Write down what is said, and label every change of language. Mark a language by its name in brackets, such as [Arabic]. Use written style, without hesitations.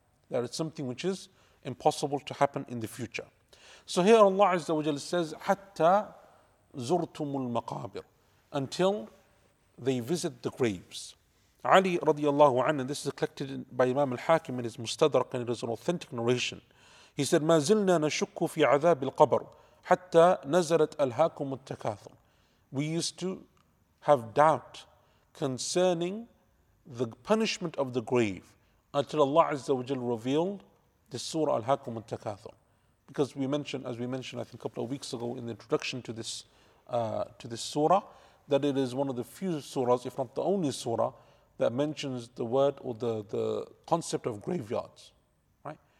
[English] That it's something which is impossible to happen in the future. So here Allah Azza wa Jalla says, hatta zurtumul maqabir, until they visit the graves. Ali radiallahu anhu, and this is collected by Imam al-Hakim in his Mustadrak, and it is an authentic narration. He said, [Arabic] ما زلنا نشك في عذاب القبر حتى نزلت ألهاكم التكاثر. [English] We used to have doubt concerning the punishment of the grave until Allah Azza wa Jal revealed this surah Al-Hakum al-Takathur. Because as we mentioned, I think a couple of weeks ago in the introduction to this surah, that it is one of the few surahs, if not the only surah, that mentions the word or the concept of graveyards, right?